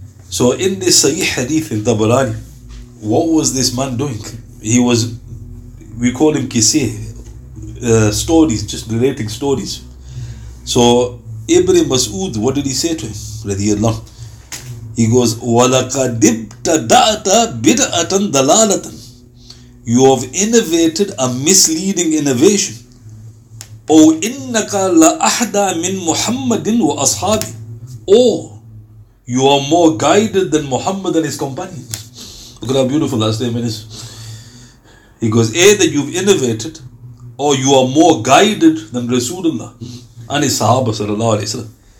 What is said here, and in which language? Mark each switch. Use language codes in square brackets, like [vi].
[en] So in this Sahih Hadith in Tabarani, what was this man doing? He was, we call him Kiseh, stories, just narrating stories. So Ibn Mas'ud, what did he say to him? [ar] Radiyallahu. He goes, وَلَقَدِبْتَدَعْتَ بِدْعَةً دَلَالَةً. [en] You have innovated a misleading innovation. [ar] O innaka la ahda min Muhammadin wa ashabi. [en] Oh, you are more guided than Muhammad and his companions. Look at how beautiful last statement is. He goes, either you've innovated, or you are more guided than Rasulullah and his Sahaba sallallahu alayhi wa sallam.